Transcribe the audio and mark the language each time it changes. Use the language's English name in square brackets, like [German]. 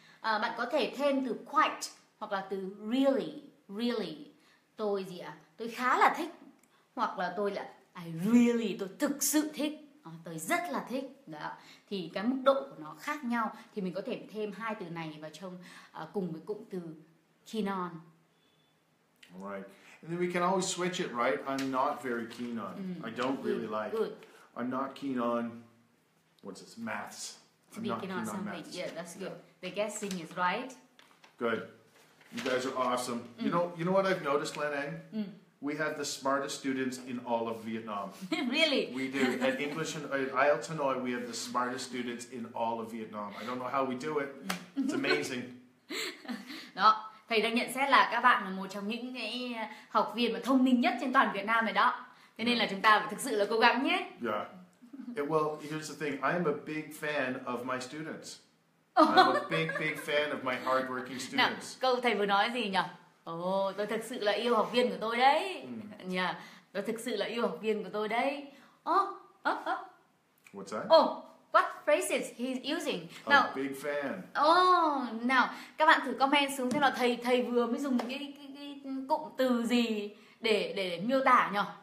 [Vietnamese] Bạn có thể thêm từ quite hoặc là từ really. Really. Tôi gì ạ? Tôi khá là thích. Hoặc là tôi là [English] I really, [Vietnamese] tôi thực sự thích. Tôi rất là thích. Đó. Thì cái mức độ của nó khác nhau. Thì mình có thể thêm hai từ này vào trong cùng với cụm từ keen on. [English] All right. And then we can always switch it, right? I'm not very keen on. I don't really like. Good. I'm not keen on, what's this, maths. To be keen on something. Maths. Yeah, that's good. Yeah. The guessing is right. Good. You guys are awesome. Mm. You know what I've noticed, Lan Anh? Mm. We have the smartest students in all of Vietnam. Really? We do. At English and IELTS Hanoi, we have the smartest students in all of Vietnam. I don't know how we do it. It's amazing. [Vietnamese] Đó. Thầy đang nhận xét là các bạn là một trong những cái học viên mà thông minh nhất trên toàn Việt Nam rồi đó. Thế nên là chúng ta phải thực sự là cố gắng nhé. [English] Yeah. Well, here's the thing. I'm a big fan of my students. I'm a big, big fan of my hardworking students. [Vietnamese] Nào, câu thầy vừa nói gì nhỉ? Tôi thực sự là yêu học viên của tôi đấy. Mm. [English] Yeah. [Vietnamese] Tôi thực sự là yêu học viên của tôi đấy. [English] What's that? Oh, what phrases he's using? Now, a big fan. Oh, now, [Vietnamese] các bạn thử comment xuống xem là thầy vừa mới dùng cái cụm từ gì để miêu tả nhỉ?